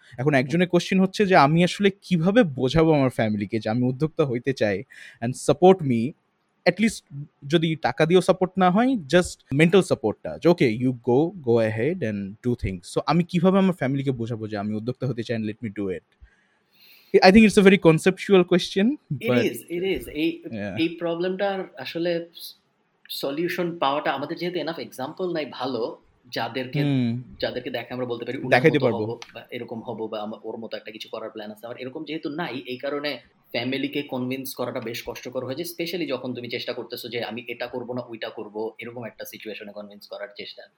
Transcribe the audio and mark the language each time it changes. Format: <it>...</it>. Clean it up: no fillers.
<bn>এখন একজনের কোশ্চেন হচ্ছে যে আমি আসলে কিভাবে বোঝাবো আমার ফ্যামিলিকে যে আমি উদ্যোক্তা হইতে চাই অ্যান্ড সাপোর্ট মি, অ্যাটলিস্ট যদি টাকা দিয়েও সাপোর্ট না হয় জাস্ট মেন্টাল সাপোর্টটা, যে</bn> <en>Okay you go go ahead and do things.</en> <bn>So আমি কিভাবে আমার ফ্যামিলিকে বোঝাবো যে আমি উদ্যোক্তা হতে চাই and</bn> <en>Let me do it? I think it's a very conceptual question. It is.</en> <bn>এই প্রবলেমটার আসলে সলিউশন পাওয়াটা আমাদের যেহেতু এনাফ এক্সাম্পল নাই ভালো, যাদেরকে দেখে আমরা বলতে পারি এরকম হবো বা ওর মতো একটা কিছু করার প্ল্যান আছে, আবার এরকম যেহেতু নাই এই কারণে ফ্যামিলিকে কনভিন্স করাটা বেশ কষ্টকর হয়েছে, স্পেশালি যখন তুমি চেষ্টা করতেছো যে আমি এটা করবো না ওইটা করবো, এরকম একটা সিচুয়েশনে কনভিন্স করার চেষ্টা।</bn>